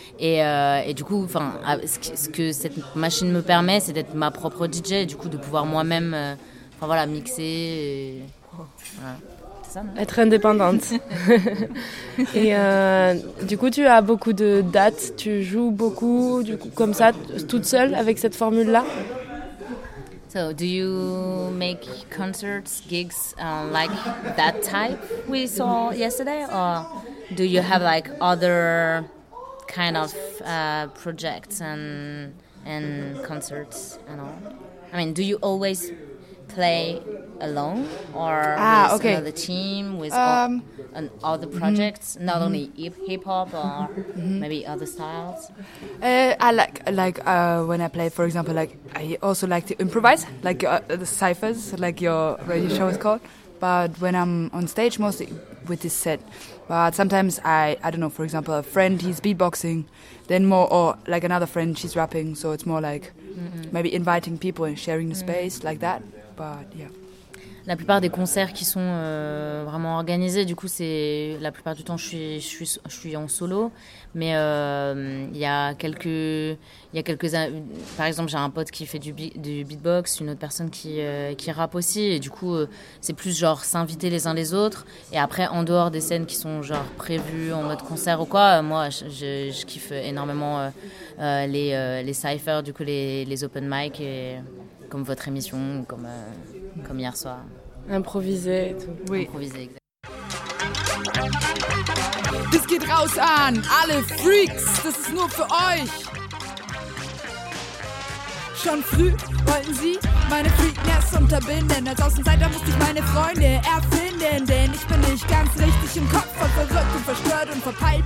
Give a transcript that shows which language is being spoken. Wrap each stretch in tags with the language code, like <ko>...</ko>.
<fr>Et du coup, enfin, ce que cette machine me permet, c'est d'être ma propre DJ, du coup, de pouvoir moi-même, enfin voilà, mixer. Et, voilà. Être indépendante. Et du coup, tu as beaucoup de dates, tu joues beaucoup, du coup, comme ça, toute seule avec cette formule-là.</fr> <en>So, do you make concerts, gigs like that type we saw yesterday, or do you have like other kind of projects and concerts and all? I mean, do you always play alone or with okay. another team with other projects, not only hip hop or maybe other styles? I like when I play, for example, like I also like to improvise, like the cyphers, like your radio show is called. But when I'm on stage, mostly with this set, But sometimes I don't know, for example, a friend, he's beatboxing, then more, or like another friend, she's rapping. So it's more like maybe inviting people and sharing the space like that. But yeah.</en> <fr>La plupart des concerts qui sont vraiment organisés, du coup, c'est la plupart du temps je suis en solo, mais il y a quelques par exemple, j'ai un pote qui fait du beatbox, une autre personne qui rappe aussi, et du coup c'est plus genre s'inviter les uns les autres. Et après, en dehors des scènes qui sont genre prévues en mode concert ou quoi, moi je kiffe énormément les cyphers, du coup les open mic, et comme votre émission, comme hier soir. Improviser et tout. Oui. Improviser, exact.</fr> <de>Das geht raus an alle Freaks, das ist nur für euch. Schon früh wollten sie meine Freakness unterbinden. Als Außenseiter musste ich meine Freunde erfinden. Denn ich bin nicht ganz richtig im Kopf, voll verrückt und verstört und verpeilt.</de>